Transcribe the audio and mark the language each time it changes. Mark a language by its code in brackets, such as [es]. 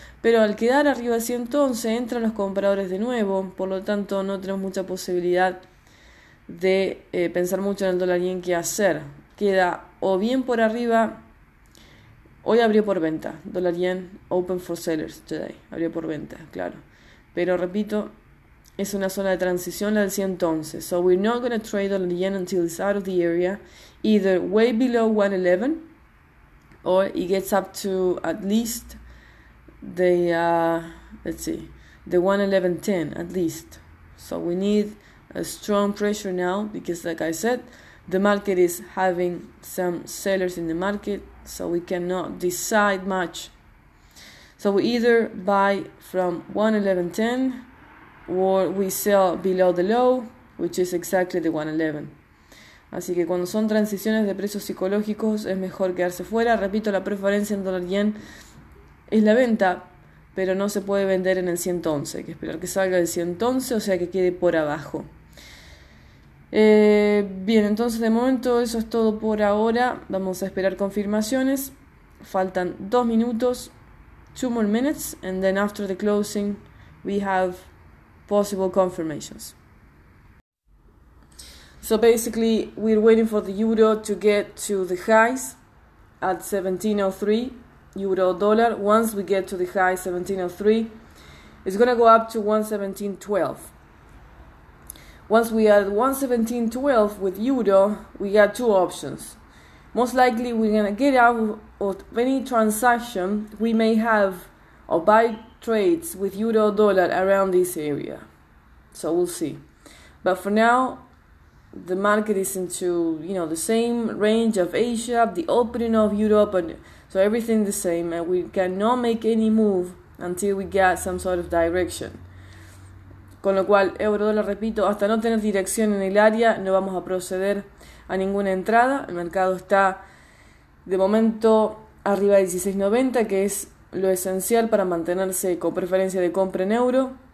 [es] Pero al quedar arriba del 111, entran los compradores de nuevo, por lo tanto, no tenemos mucha posibilidad de pensar mucho en el dólar yen qué hacer. Queda o bien por arriba. Hoy abrió por venta, dólar yen, [en] open for sellers today. [es] Abrió por venta, claro. Pero repito, es una zona de transición la del 111. [en] So we're not going to trade dollar yen until it's out of the area, either way below 111 or it gets up to at least let's see, the 111.10 at least. So we need a strong pressure now because, like I said, the market is having some sellers in the market. So we cannot decide much. So we either buy from 111.10 or we sell below the low, which is exactly the 111. [es] Así que cuando son transiciones de precios psicológicos es mejor quedarse fuera. Repito, la preferencia en dólar yen es la venta, pero no se puede vender en el 111. Hay que esperar que salga el 111, o sea que quede por abajo. Bien, entonces de momento eso es todo por ahora. Vamos a esperar confirmaciones. Faltan 2 minutos, [en] 2 more minutes, and then after the closing, we have possible confirmations. So basically, we're waiting for the euro to get to the highs at 17.03 euro dollar. Once we get to the high 17.03, it's gonna go up to 117.12. Once we are at 117.12 with euro, we got 2 options. Most likely, we're gonna get out of any transaction we may have or buy trades with euro dollar around this area. So we'll see. But for now, the market is into, the same range of Asia, the opening of Europe, and so everything the same, and we cannot make any move until we get some sort of direction. [es] Con lo cual, Eurodólar, repito, hasta no tener dirección en el área, no vamos a proceder a ninguna entrada. El mercado está, de momento, arriba de 16.90, que es lo esencial para mantenerse con preferencia de compra en euro.